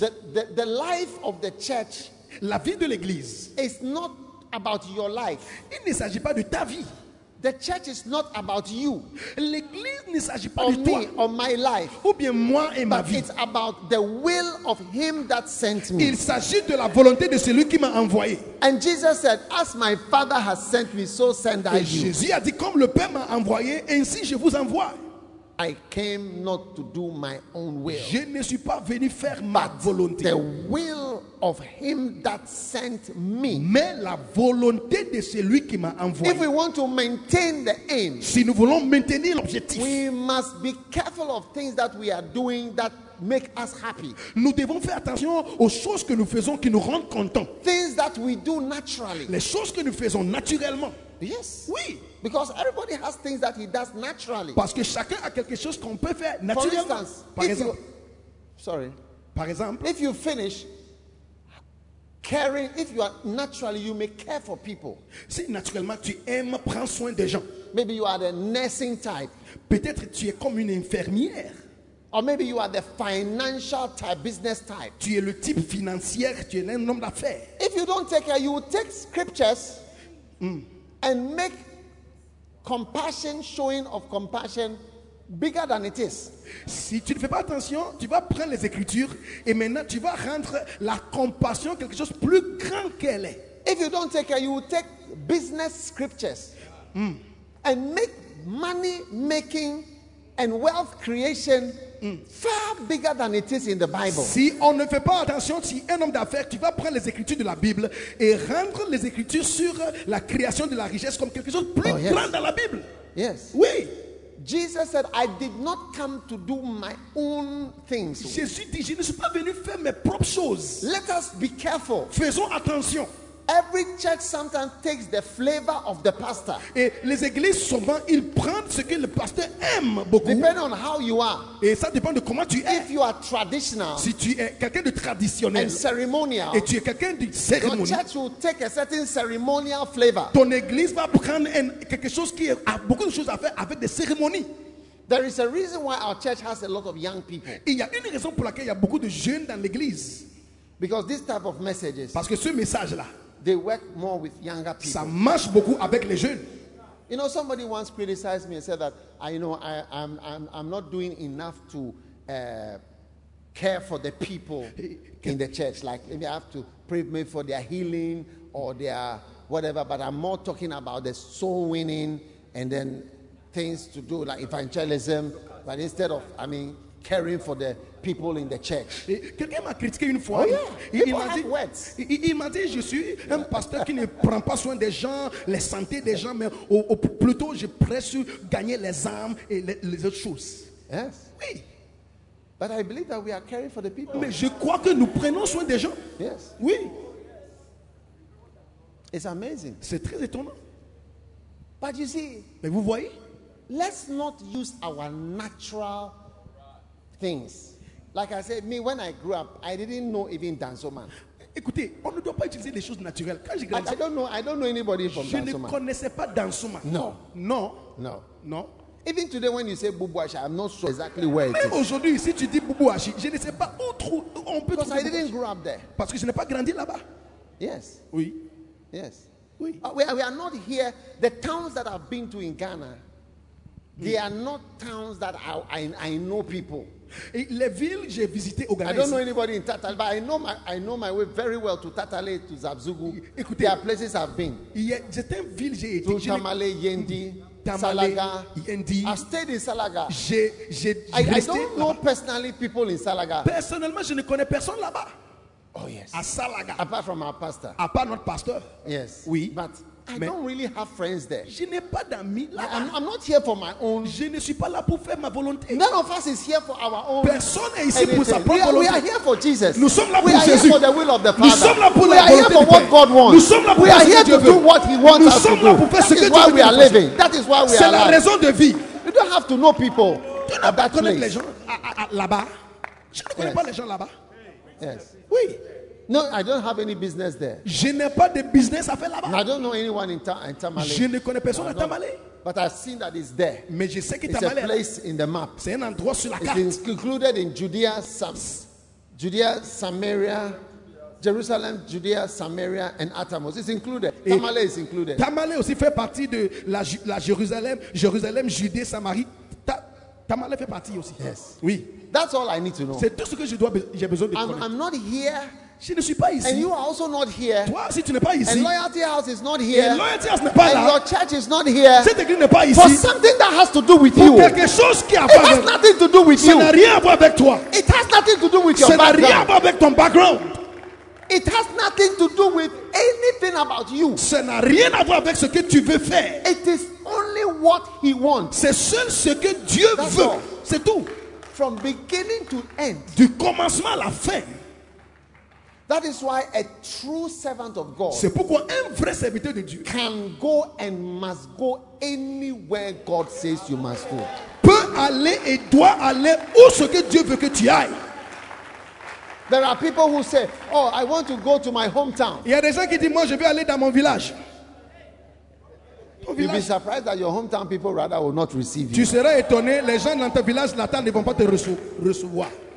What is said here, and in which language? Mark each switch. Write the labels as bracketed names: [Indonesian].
[English] The life of the church, [French] la vie de l'église, [English] is not about your life. [French] Il ne s'agit pas de ta vie. [English] The church is not about you. [French] L'église ne s'agit pas de toi. [English] Or my life. [French] Ou bien moi et ma vie. [English] But it's about the will of him that sent me. [French] Il s'agit de la volonté de celui qui m'a envoyé. [English] And Jesus said, "As my Father has sent me, so send I you." [French] Jésus a dit, comme le Père m'a envoyé, ainsi je vous envoie. [English] I came not to do my own will. [French] Je ne suis pas venu faire ma volonté. [English] The will of him that sent me. [French] Mais la volonté de celui qui m'a envoyé. [English] If we want to maintain the aim, [French] si nous voulons maintenir l'objectif, [English] we must be careful of things that we are doing that make us happy. [French] Nous devons faire attention aux choses que nous faisons qui nous rendent contents. [English] Things that we do naturally. [French] Les choses que nous faisons naturellement. [English] Yes. [French] Oui. [English] Because everybody has things that he does naturally. [French] Parce que chacun a quelque chose qu'on peut faire naturellement. [English] For instance, [French] par exemple, [English] if you finish caring, if you are naturally, you may care for people. [French] Si naturellement tu aimes prendre soin des gens. [English] Maybe you are the nursing type. [French] Peut-être tu es comme une infirmière. [English] Or maybe you are the financial type, business type. [French] Tu es le type financier, tu es un homme d'affaires. [English] If you don't take care, you will take scriptures and make compassion, showing of compassion, bigger than it is. [French] Si tu ne fais pas attention, tu vas prendre les écritures et maintenant tu vas rendre la compassion quelque chose plus grand qu'elle est. [English] If you don't take care, you will take business scriptures and make money making and wealth creation far bigger than it is in the Bible. [French] Si on ne fait pas attention, si un homme d'affaires, tu vas prendre les écritures de la Bible et rendre les écritures sur la création de la richesse comme quelque chose de plus grand dans la Bible. [English] Yes. [French] Oui. [English] Jesus said, "I did not come to do my own things." [French] Jésus dit, je ne suis pas venu faire mes propres choses. [English] Let us be careful. [French] Faisons attention. [English] Every church sometimes takes the flavor of the pastor. [French] Et les églises souvent ils prennent ce que le pasteur aime beaucoup. [English] Depending on how you are. [French] Et ça dépend de comment tu es. [English] If you are traditional. [French] Si tu es quelqu'un de traditionnel. [English] And ceremonial. [French] Et tu es quelqu'un de cérémonie. [English] Your church will take a certain ceremonial flavor. [French] Ton église va prendre quelque chose qui a beaucoup de choses à faire avec des cérémonies. [English] There is a reason why our church has a lot of young people. [French] Il y a une raison pour laquelle il y a beaucoup de jeunes dans l'église. [English] Because this type of messages. [French] Parce que ce message là. [English] They work more with younger people. [French] Ça marche beaucoup avec les jeunes. [English] You know, somebody once criticized me and said that I'm not doing enough to care for the people in the church. Like maybe I have to pray maybe for their healing or their whatever. But I'm more talking about the soul winning and then things to do like evangelism. But instead of, caring for the people in the church. [French] Quelqu'un m'a critiqué une fois. [English] Oh, yeah. [French] Il m'a dit, je suis un pasteur qui ne prend pas soin des gens, les santé des gens, mais plutôt je presse gagner les âmes et les autres choses. [English] Yes. [French] Oui. [English] But I believe that we are caring for the people. [French] Mais je crois que nous prenons soin des gens. [English] Yes. [French] Oui. [English] It's amazing. [French] C'est très étonnant. [English] But you see. [French] Mais vous voyez. [English] Let's not use our natural things. Like I said, me when I grew up, I didn't know even Danzoma. [French] Écoutez, on ne doit pas utiliser les choses naturelles. Quand j'ai grandi, [English] I don't know anybody from [French] je [English] Danzoma. [French] Je ne connaissais pas Danzoma. [English] No. No. No. No. Even today when you say Boubouachi, I'm not sure exactly where [French] Même [English] it is. [French] Mais aujourd'hui, si tu dis Boubouachi, je ne sais pas où trouver on peut [English] Because I didn't grow up there. [French] Parce que je n'ai pas grandi là-bas. [English] Yes. [French] Oui. [English] Yes. [French] Oui. [English] We are not here. The towns that I've been to in Ghana, they are not towns that I know people. [French] Et les villes j'ai visité au Ghana. [English] I don't know anybody in Tatale, but I know my way very well to Tatale, to Zabzugu. [French] Écoutez, [English] there are places I've been. [French] Certaines villes j'ai été. [English] Tamale, Yendi, Salaga. [French] Yendi. [English] I stayed in Salaga. [French] J'ai [English] I don't Know personally people in Salaga. [French] Personnellement, je ne connais personne là-bas. [English] Oh yes. [French] À Salaga. [English] Apart from our pastor. [French] À part notre pasteur. [English] Yes. [French] Oui. [English] But I don't really have friends there. [French] Je n'ai pas d'amis là. [English] I'm not here for my own. [French] Je ne suis pas là pour faire ma volonté. [English] None of us is here for our own. [French] Personne n'est ici pour sa propre volonté. [English] We are here for Jesus. [French] Nous sommes là pour [English] we [French] Jésus. [English] We are here for the will of the Father. [French] Nous sommes là pour [English] we are here for what God wants. [French] Nous sommes là pour [English] we are here to [French] Dieu [English] do [French] veut. [English] What he wants [French] nous [English] us to do. [French] Nous sommes là pour faire ce que Dieu [English] we are living. That is why we [French] c'est [English] are alive. [French] C'est la raison de vie. [English] You don't have to know people. [French] Tu n'as pas connaître les gens là-bas. Je ne connais pas les gens là-bas. [English] Yes. [French] Oui. [English] No, I don't have any business there. [French] Je n'ai pas de business à faire là-bas. [English] I don't know anyone in Tamale. [French] Je ne connais personne à Tamale. [English] But I've seen that it's there. [French] Mais je sais que [English] it's Tamale a place in the map. [French] C'est un endroit sur la [English] it's [French] carte. [English] It's included in Judea, Samaria, Jerusalem, Judea, Samaria, and Atamos. It's included. Et Tamale is included. [French] Tamale aussi fait partie de la Jérusalem, Jérusalem, Judée, Samarie. Tamale fait partie aussi. [English] Yes. [French] Oui. [English] That's all I need to know. [French] C'est tout ce que j'ai besoin de connaître. [English] I'm not here. [French] Je ne suis pas ici. [English] And you are also not here. [French] Toi aussi, tu n'es pas ici. [English] And Loyalty House is not here. [French] Et Loyalty House n'est pas [English] and [French] là. [English] And your church is not here. [French] Cette église n'est pas ici. [English] For something that has to do with [French] pour [English] you. [French] Pour quelque chose qui a [English] it has nothing to do with [French] ça [English] you. [French] Ça n'a rien à voir avec toi. [English] It has nothing to do with [French] ça [English] your background. [French] Ça n'a rien à voir avec ton background. [English] It has nothing to do with anything about you. [French] Ça n'a rien à voir avec ce que tu veux faire. [English] It is only what he wants. [French] C'est seul ce que Dieu [English] That's [French] veut. [English] All. [French] C'est tout. [English] From beginning to end. [French] Du commencement à la fin. [English] That is why a true servant of God [French] c'est pourquoi un vrai serviteur de Dieu [English] can go and must go anywhere God says you must go. [French] Peut aller et doit aller où ce que Dieu veut que tu ailles. [English] There are people who say, oh, I want to go to my hometown. [French] Il y a des gens qui disent, moi, je veux aller dans mon village. Ton village. [English] You'll be surprised that your hometown people rather will not receive you. [French] Tu seras étonné, les gens dans ton village natal ne vont pas te recevoir.